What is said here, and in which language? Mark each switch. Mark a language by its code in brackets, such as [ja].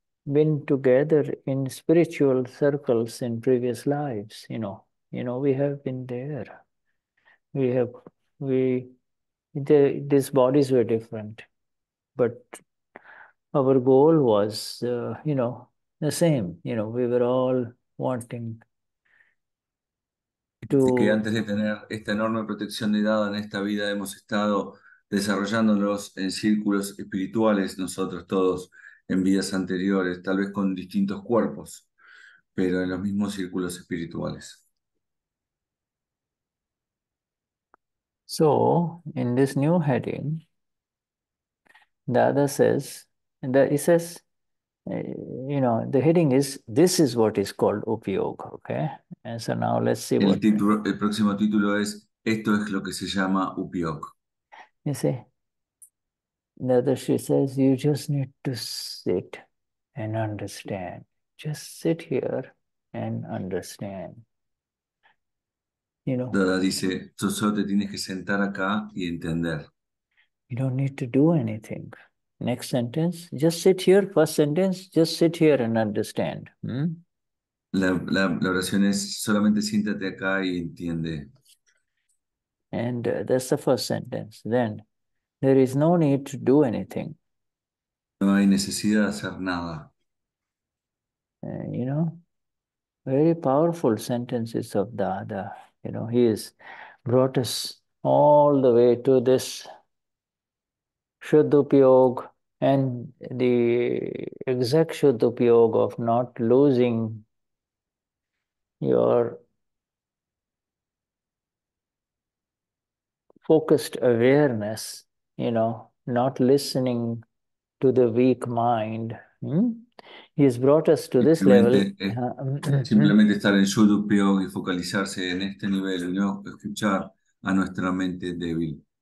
[en] been together in spiritual circles in previous lives. You know, we have been there. These bodies were different, but our goal was, the same. We were all wanting to. [es] Así que antes de tener esta enorme protección de dada en esta vida, hemos estado desarrollándonos en círculos espirituales, nosotros todos, en vidas anteriores, tal vez con distintos cuerpos, pero en los mismos círculos espirituales. [en] So, in this new heading, Dada says, that he says, the heading is, this is what is called Upayog, okay? And so now let's see [es] el [en] what... [es] título, el próximo título es, esto es lo que se llama Upayog. [en] You see, Dadashri says, you just need to sit and understand. Just sit here and understand. [es] Dada dice, tú solo te tienes que sentar acá y entender. [en] You don't need to do anything. Next sentence, just sit here, first sentence, just sit here and understand. [es] La oración es, solamente siéntate acá y entiende. [en] And that's the first sentence. Then, there is no need to do anything. [es] No hay necesidad de hacer nada. [en] Very powerful sentences of Dada. You know, he has brought us all the way to this Shuddhupyog and the exact Shuddhupyog of not losing your focused awareness, not listening to the weak mind. He has brought us to this level. [es] Simplemente estar en Shuddhupyog y focalizarse en este nivel, no escuchar a nuestra mente débil.